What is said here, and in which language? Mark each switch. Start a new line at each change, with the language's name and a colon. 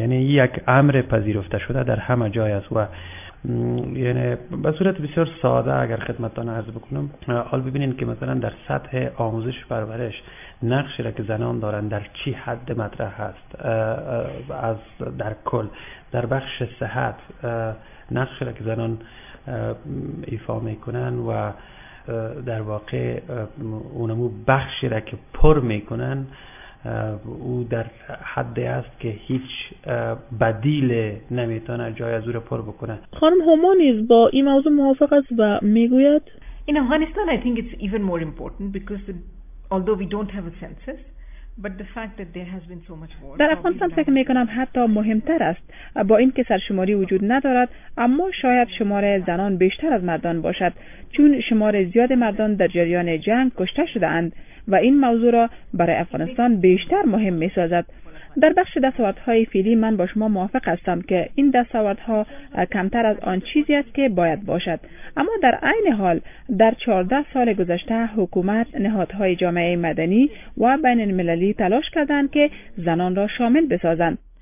Persian: یعنی یک امر پذیرفته شده در همه جای است و یعنی به صورت بسیار ساده اگر خدمتتان عرض بکنم، حال ببینین که مثلا در سطح آموزش و پرورش نقشی را که زنان دارن در چی حد مطرح هست، از در کل در بخش صحت نقشی را که زنان ایفا میکنن و در واقع اونمو بخشی را که پر میکنن او در حدی است که هیچ بدیل نمیتونه جای از او را پر بکنه. خانم هومانیز با این موضوع موافق است و میگوید
English: In Afghanistan, I think it's even more important because although we don't have a census, but the fact that there has been so much war.
Persian: در افغانستان فکر میکنم حتی مهمتر است با اینکه سرشماری وجود ندارد، اما شاید شمار زنان بیشتر از مردان باشد، چون شمار زیاد مردان در جریان جنگ کشته شده اند و این موضوع را برای افغانستان بیشتر مهم میسازد. در بخش دستاوردهای فعلی من با شما موافق هستم که این دستاوردها کمتر از آن چیزی است که باید باشد، اما در عین حال در 14 سال گذشته حکومت، نهادهای جامعه مدنی و بین المللی تلاش کردند که زنان را شامل بسازند.